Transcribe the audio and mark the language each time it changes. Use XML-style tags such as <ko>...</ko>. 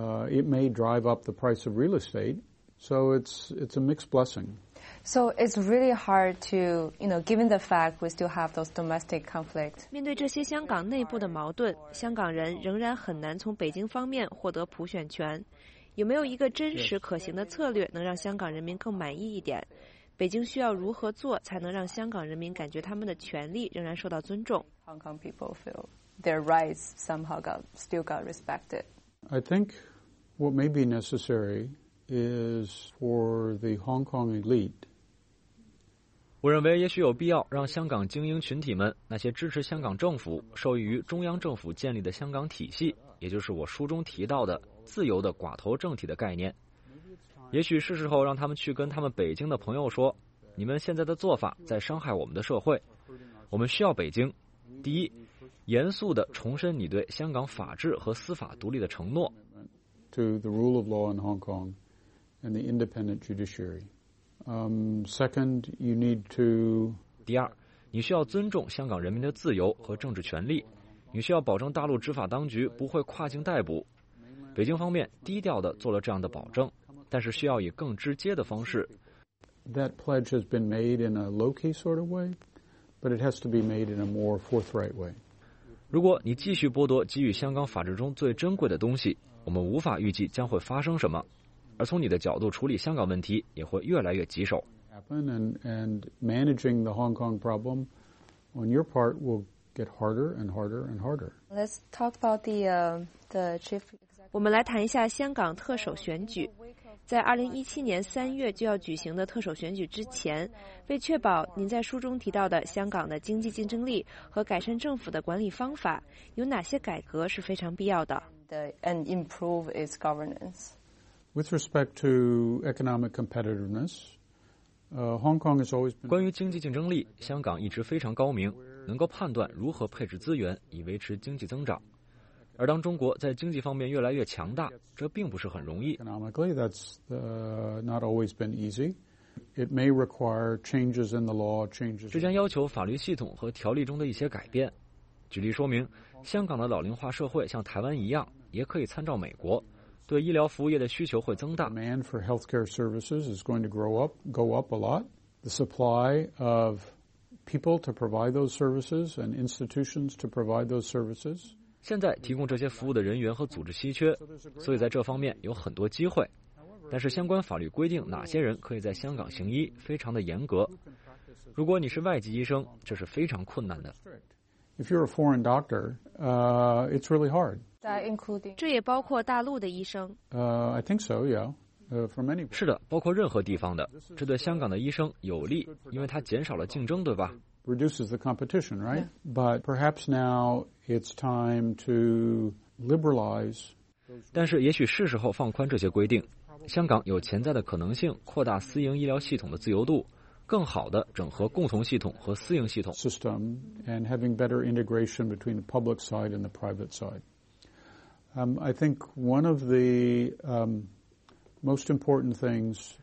<en>It may drive up the price of real estate, so it's a mixed blessing. So it's really hard to, you know, given the fact we still have those domestic conflicts.</en> <zh>面对这些香港内部的矛盾，香港人仍然很难从北京方面获得普选权。有没有一个真实可行的策略能让香港人民更满意一点？北京需要如何做才能让香港人民感觉他们的权利仍然受到尊重？</zh> <en>Hong Kong people feel their rights somehow still got respected. I think what may be necessary is for the Hong Kong elite.</en> <zh>我认为也许有必要让香港精英群体们，那些支持香港政府、受益于中央政府建立的香港体系，也就是我书中提到的自由的寡头政体的概念，也许是时候让他们去跟他们北京的朋友说，你们现在的做法在伤害我们的社会，我们需要北京。第一，严肃地重申你对香港法治和司法独立的承诺。</zh> <en>To the rule of law in Hong Kong and the independent judiciary. Second, you need to.</en> <zh>第二，你需要尊重香港人民的自由和政治权利，你需要保证大陆执法当局不会跨境逮捕。北京方面低调地做了这样的保证，但是需要以更直接的方式。</zh> <en>That pledge has been made in a low-key sort of way, but it has to be made in a more forthright way.</en> <zh>如果你继续剥夺给予香港法治中最珍贵的东西，我们无法预计将会发生什么，而从你的角度处理香港问题也会越来越棘手。</zh> <en>And managing the Hong Kong problem on your part will get harder and harder and harder. Let's talk about the chief.</en> <zh>我们来谈一下香港特首选举。在2017年3月就要举行的特首选举之前，为确保您在书中提到的香港的经济竞争力和改善政府的管理方法，有哪些改革是非常必要的</zh> <en>？And improve its governance. With respect to economic competitiveness, Hong Kong has always been.</en> <zh>关于经济竞争力，香港一直非常高明，能够判断如何配置资源以维持经济增长。而当中国在经济方面越来越强大，这并不是很容易。</zh> <en>Economically, that's not always been easy. It may require changes in the law, changes.</en> <zh>这将要求法律系统和条例中的一些改变。举例说明，香港的老龄化社会像台湾一样，也可以参照美国，对医疗服务业的需求会增大。</zh> <en>Demand for healthcare services is going to go up a lot. The supply of people to provide those services and institutions to provide those services.</en> <zh>现在提供这些服务的人员和组织稀缺，所以在这方面有很多机会。但是相关法律规定哪些人可以在香港行医非常的严格。如果你是外籍医生，这是非常困难的。</zh> <en>If you're a foreign doctor, it's really hard. Including</en> <zh>这也包括大陆的医生。</zh> <en>I think so, yeah. From any</en> <zh>是的，包括任何地方的。这对香港的医生有利，因为它减少了竞争，对吧？</zh> <en>Reduces the competition, right? But perhaps now it's time to liberalize.</en> <zh>但是也许是时候放宽这些规定。香港有潜在的可能性扩大私营医疗系统的自由度，更好地整合共同系统和私营系统。</zh> <en>System and having better integration between the public side and the private side. I think one of the most important things.</en>